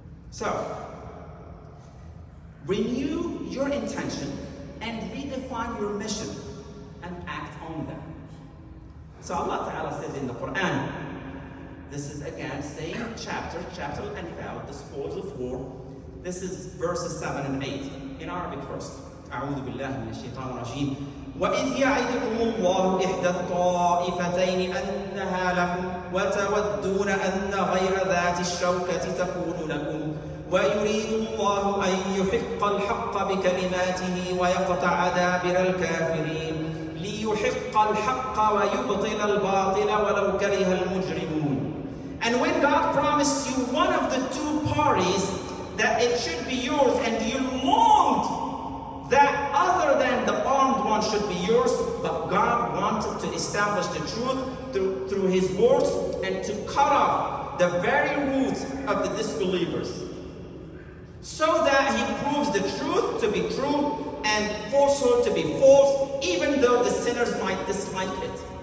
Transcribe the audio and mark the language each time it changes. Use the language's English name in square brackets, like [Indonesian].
[English] So, renew your intention and redefine your mission and act on them. So Allah Ta'ala said in the Quran, this is again same chapter Al-Anfal, the spoils of war. This is verses 7 and 8 in Arabic first. [Arabic] أعوذ بالله من الشيطان الرجيم وإذ يعدكم الله إحدى الطائفتين أنها لكم وتودون أن غير ذات الشوكة تكون لكم ويريد الله أن يحق الحق بكلماته ويقطع دابر الكافرين ليحق الحق ويبطل الباطل ولو كره المجرمون. [English] And when God promised you one of the two parties that it should be yours and you longed that other than the armed one should be yours, but God wanted to establish the truth through His words and to cut off the very roots of the disbelievers, so that He proves the truth to be true and falsehood to be false, even though the sinners might dislike it.